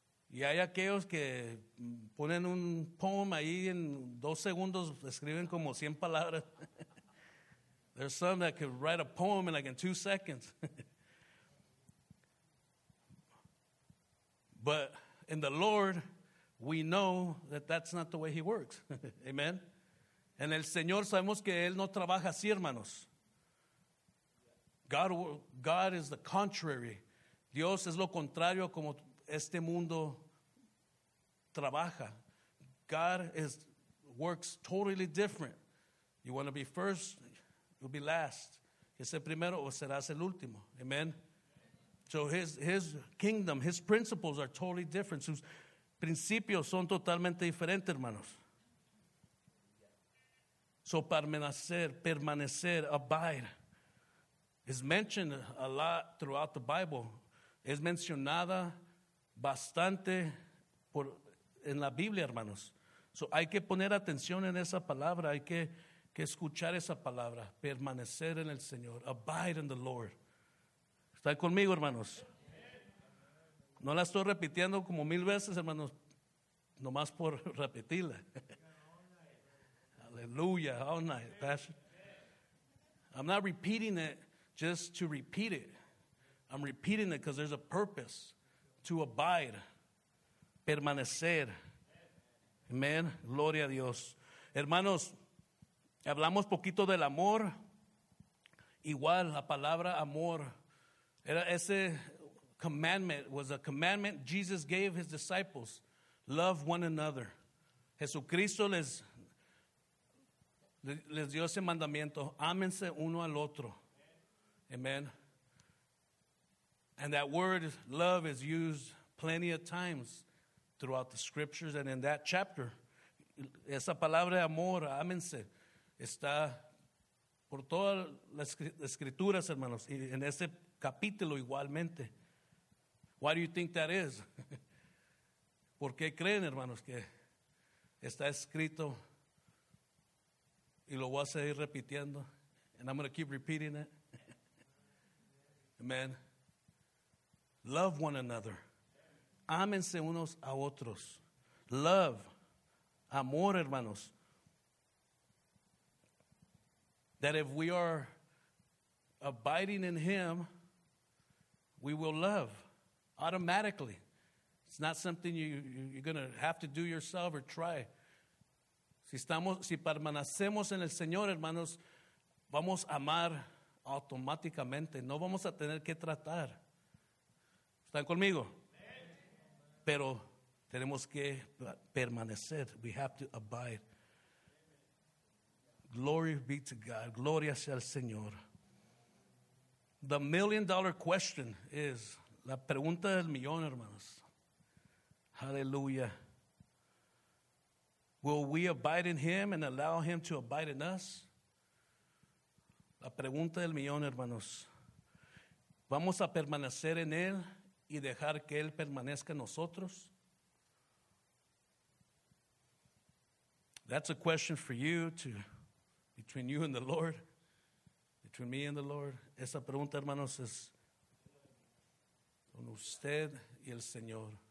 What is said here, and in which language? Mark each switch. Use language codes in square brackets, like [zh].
[es] Y hay aquellos que ponen un poem ahí en dos segundos, escriben como 100 palabras. [en] There's some that could write a poem in like in 2 seconds. But in the Lord, we know that that's not the way He works. Amen. [es] En el Señor sabemos que Él no trabaja así, hermanos. [en] God is the contrary. [es] Dios es lo contrario como este mundo trabaja. [en] God works totally different. You want to be first, you'll be last. [es] Que sea primero o serás el último. [en] Amen. So his kingdom, his principles are totally different. [es] Sus principios son totalmente diferentes, hermanos. [en] So permanecer, abide, is mentioned a lot throughout the Bible. [es] Es mencionada bastante en la Biblia, hermanos. So hay que poner atención en esa palabra. Hay que escuchar esa palabra. Permanecer en el Señor. [en] Abide in the Lord. [es] ¿Están conmigo, hermanos? No la estoy repitiendo como mil veces, hermanos, nomás por repetirla. [en] Aleluya, all night, Pastor. I'm not repeating it just to repeat it. I'm repeating it because there's a purpose to abide, permanecer. [es] Amen, gloria a Dios. Hermanos, hablamos poquito del amor. Igual, la palabra amor. Era ese [en] commandment, was a commandment Jesus gave his disciples. Love one another. [es] Jesucristo les dio ese mandamiento. Ámense uno al otro. Amen. [en] And that word love is used plenty of times throughout the scriptures and in that chapter. [es] Esa palabra amor, ámense, está por todas las escrituras, hermanos, y en ese capítulo igualmente. [en] Why do you think that is? [es] ¿Por qué creen, hermanos, que está escrito y lo voy a seguir repitiendo? [en] And I'm going to keep repeating it. [es] Amen. [en] Love one another. [es] Ámense unos a otros. Love. Amor, hermanos. [en] That if we are abiding in Him, we will love automatically. It's not something you're going to have to do yourself or try. [es] Si permanecemos en el Señor, hermanos, vamos a amar automáticamente. No vamos a tener que tratar. ¿Están conmigo? Pero tenemos que permanecer. [en] We have to abide. Glory be to God. [es] Gloria sea al Señor. [en] The million-dollar question is, [es] la pregunta del millón, hermanos. [en] Hallelujah. Will we abide in Him and allow Him to abide in us? [es] La pregunta del millón, hermanos. ¿Vamos a permanecer en Él y dejar que Él permanezca en nosotros? [en] That's a question for you to, between you and the Lord, between me and the Lord. [es] Esa pregunta, hermanos, es con usted y el Señor.